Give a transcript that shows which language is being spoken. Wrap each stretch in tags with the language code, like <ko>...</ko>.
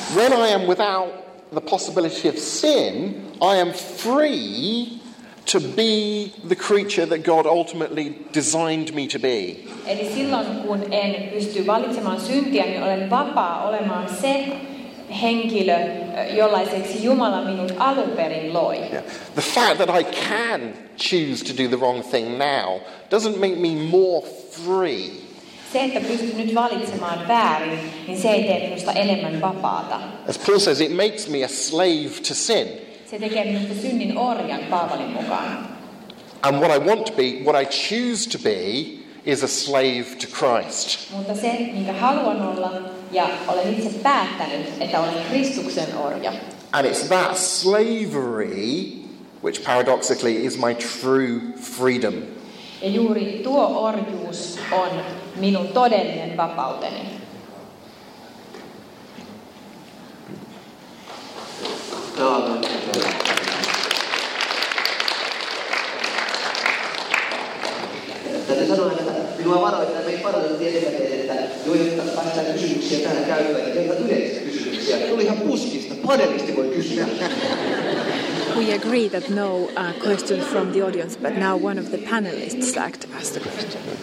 <en>When I am without the possibility of sin, I am free to be the creature that God ultimately designed me to be.</en> <fi>Eli silloin kun en pysty valitsemaan syntiä, niin olen vapaa olemaan se henkilö, jollaiseksi Jumala minut alun perin loi.</fi> <en>Yeah. The fact that I can choose to do the wrong thing now doesn't make me more free.</en> <fi>Se, että pystyn nyt valitsemaan väärin, niin se ei tee minusta enemmän vapaata.</fi> <en>As Paul says, it makes me a slave to sin.</en> <fi>Se tekee minusta synnin orjan Paavalin mukaan.</fi> <en>And what I want to be, what I choose to be, is a slave to Christ.</en> <fi>Mutta se, minkä haluan olla, ja olen itse päättänyt, että olen Kristuksen orja.</fi> <en>And it's that slavery, which paradoxically is my true freedom.</en> <fi>Ja juuri tuo orjuus on minun todellinen vapauteni. Tätä sanoin, että minua varoittaa, että ei paljon tietenkään, että joita päästään kysymyksiä täällä käyttöön, että joita yleisistä kysymyksiä. Tuli ihan puskista, paneelisti voi kysyä.</fi> <en>We agree that no question from the audience, but now one of the panelists like to ask the question.</en>